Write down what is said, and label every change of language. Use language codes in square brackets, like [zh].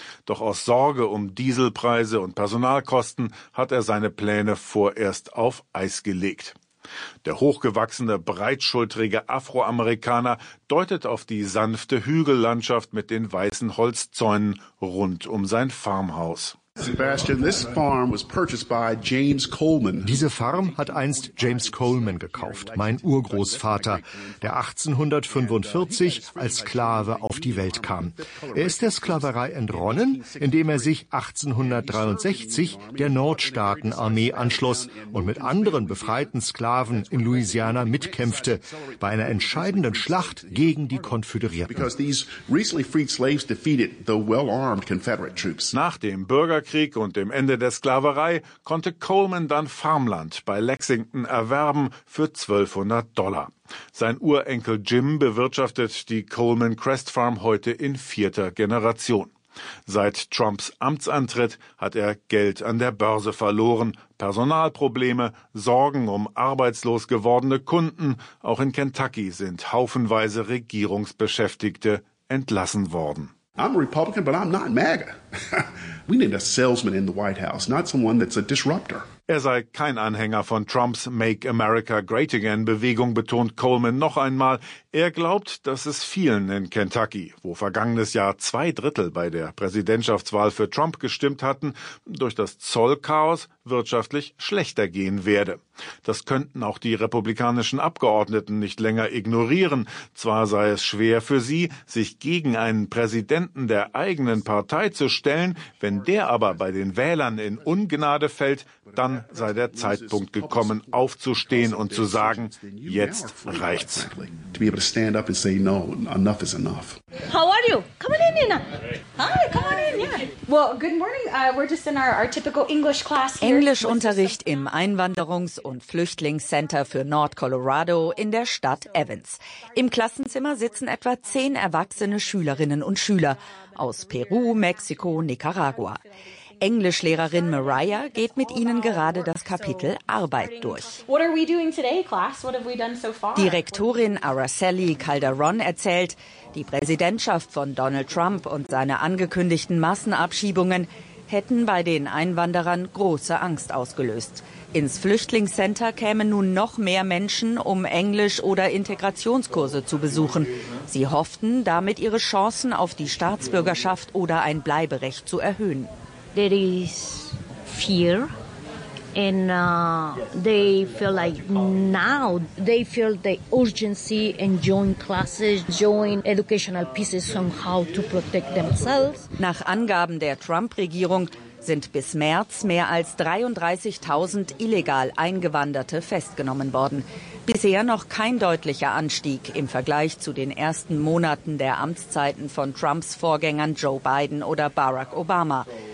[de] Doch aus Sorge um Dieselpreise und Personalkosten hat er seine Pläne vorerst auf Eis gelegt. Der hochgewachsene, breitschultrige Afroamerikaner deutet auf die sanfte Hügellandschaft mit den weißen Holzzäunen rund um sein Farmhaus. [en] Sebastian, this farm was purchased by James Coleman. [de] Diese Farm hat einst James Coleman gekauft, mein Urgroßvater, der 1845 als Sklave auf die Welt kam. Er ist der Sklaverei entronnen, indem er sich 1863 der Nordstaatenarmee anschloss und mit anderen befreiten Sklaven in Louisiana mitkämpfte, bei einer entscheidenden Schlacht gegen die Konföderierten. [en] Because these recently freed slaves defeated the well-armed Confederate troops. [de] Nach dem Bürgerkrieg und dem Ende der Sklaverei konnte Coleman dann Farmland bei Lexington erwerben für $1,200. Sein Urenkel Jim bewirtschaftet die Coleman Crest Farm heute in vierter Generation. Seit Trumps Amtsantritt hat er Geld an der Börse verloren, Personalprobleme, Sorgen um arbeitslos gewordene Kunden. Auch in Kentucky sind haufenweise Regierungsbeschäftigte entlassen worden. [en] I'm a Republican, but I'm not MAGA. We need a salesman in the White House, not someone that's a disruptor. [de] Er sei kein Anhänger von Trumps Make America Great Again Bewegung, betont Coleman noch einmal. Er glaubt, dass es vielen in Kentucky, wo vergangenes Jahr 2/3 bei der Präsidentschaftswahl für Trump gestimmt hatten, durch das Zollchaos wirtschaftlich schlechter gehen werde. Das könnten auch die republikanischen Abgeordneten nicht länger ignorieren. Zwar sei es schwer für sie, sich gegen einen Präsidenten der eigenen Partei zu stellen, wenn der aber bei den Wählern in Ungnade fällt, dann sei der Zeitpunkt gekommen, aufzustehen und zu sagen, jetzt reicht's. [en] To be able to stand up and say, no, enough is enough. How are you? Come on in, Nina. Hi, come on in, yeah. Well, good morning. We're just in our typical English class here. [de] Englischunterricht im Einwanderungs- und Flüchtlingscenter für Nord-Colorado in der Stadt Evans. Im Klassenzimmer sitzen etwa 10 erwachsene Schülerinnen und Schüler aus Peru, Mexiko, Nicaragua. Englischlehrerin Mariah geht mit ihnen gerade das Kapitel Arbeit durch. Direktorin Araceli Calderon erzählt, die Präsidentschaft von Donald Trump und seine angekündigten Massenabschiebungen hätten bei den Einwanderern große Angst ausgelöst. Ins Flüchtlingscenter kämen nun noch mehr Menschen, um Englisch- oder Integrationskurse zu besuchen. Sie hofften, damit ihre Chancen auf die Staatsbürgerschaft oder ein Bleiberecht zu erhöhen. [en] There is fear and they feel like now they feel the urgency and join classes, join educational pieces on how to protect themselves. [de] Nach Angaben der Trump-Regierung sind bis März mehr als 33.000 illegal Eingewanderte festgenommen worden. Bisher noch kein deutlicher Anstieg im Vergleich zu den ersten Monaten der Amtszeiten von Trumps Vorgängern Joe Biden oder Barack Obama.